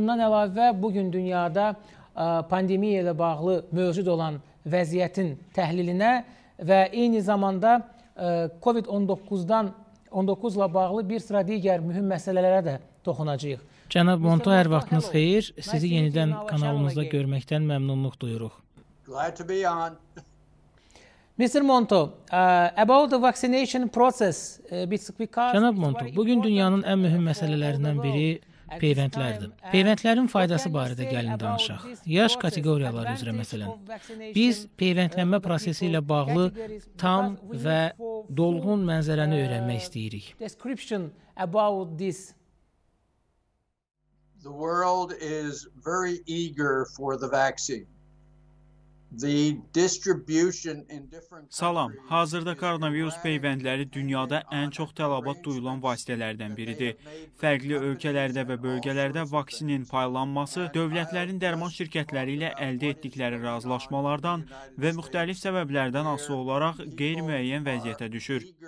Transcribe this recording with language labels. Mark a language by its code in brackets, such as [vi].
[az] Bundan əlavə bugün dünyada pandemiya ilə bağlı mövcud olan vəziyyətin təhlilinə və eyni zamanda COVID-19-la bağlı bir sıra digər mühüm məsələlərə də toxunacaq. Cənab Monto, hər vaxtınız xeyir. Sizi yenidən kanalımızda görməkdən məmnunluq duyuruq. [en] Glad to be on. Mr. Monto, about the vaccination process, because... [az] Cənab Monto, bugün dünyanın ən mühüm məsələlərindən biri peyvəndlərdir. Peyvəndlərin faydası barədə gəlin danışaq. Yaş kateqoriyaları üzrə məsələn. Biz peyvəndlənmə prosesi ilə bağlı tam və dolğun mənzərəni öyrənmək istəyirik. [en] Description about this. The world is very eager for the vaccine. The distribution in different [az] Salam, hazırda koronavirus peyvəndləri dünyada ən çox tələbat duyulan vasitələrdən biridir. Fərqli ölkələrdə və bölgələrdə vaksinin paylanması, dövlətlərin dərman şirkətləri ilə əldə etdikləri razılaşmalardan və müxtəlif səbəblərdən asılı olaraq qeyri-müəyyən vəziyyətə düşür.